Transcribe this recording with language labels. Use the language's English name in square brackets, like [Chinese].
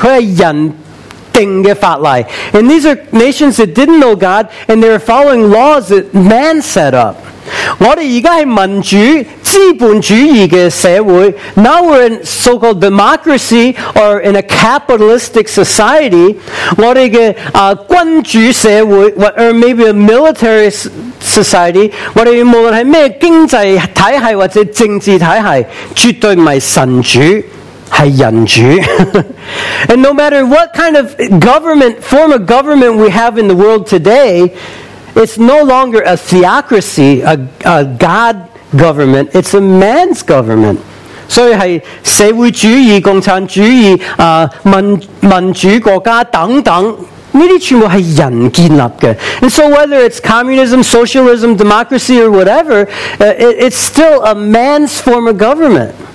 [Cantonese] 这些是不爱神,他是人定的法例. [English] And these are nations that didn't know God, and they were following laws that man set up. [Cantonese] 我们现在是民主资本主义的社会, [English] now we're in so-called democracy or in a capitalistic society. [Cantonese] 我们的君主社会, [English] or maybe a military society, [Cantonese] 我们无论是什么经济体系或者政治体系, 绝对不是神主, 是人主. [English] And no matter what kind of government, form of government we have in the world today, it's no longer a theocracy, a God government. It's a man's government. So it's [Cantonese] 社会主义、共产主义、民主国家等等，这些全部是人建立的。 [English] And so whether it's communism, socialism, democracy, or whatever, it's still a man's form of government.